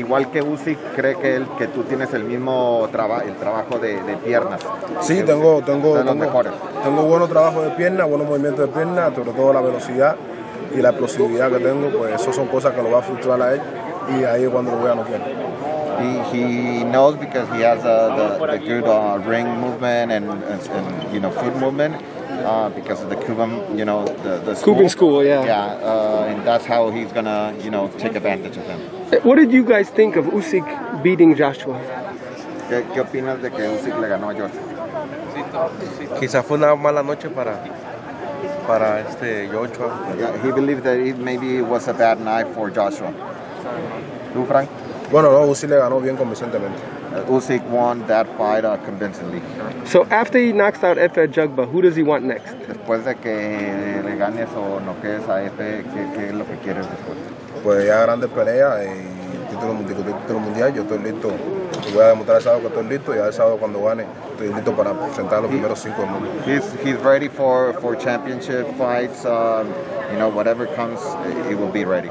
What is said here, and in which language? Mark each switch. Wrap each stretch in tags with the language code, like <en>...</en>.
<es>Igual que Usyk, cree que él que tú tienes el mismo trabajo de piernas. Sí, tengo buenos trabajos de pierna, buenos movimientos de pierna, sobre todo la velocidad y la explosividad que tengo, pues eso son cosas que lo va a frustrar a él. Y ahí cuando lo vea no quiere.</es> <en>He knows because he has the good ring movement and you know foot movement because of the Cuban, you know, the Cuban school, yeah. Yeah, and that's how he's gonna, you know, take advantage of him. What did you guys think of Usyk beating Joshua?</en> <es>¿Qué opinas de que Usyk le ganó a Joshua? Quizá fue una mala noche para este Joshua.</es> <en>Yeah, he believes that it maybe was a bad night for Joshua.</en> <es>¿Tú, Frank? Bueno, no, Usyk le ganó bien convincentemente.</es> <en>Usyk won that fight convincingly. So after he knocks out Efe Jugba, who does he want next?</en> <es>Después de que le ganes o noques a Efe, ¿qué es lo que quieres después? Pues ya grandes peleas y título mundial. Yo estoy listo. Voy a demostrar el sábado que estoy listo y el sábado cuando gane.</es> <en>He's ready for championship fights. You know, whatever comes, he will be ready.</en>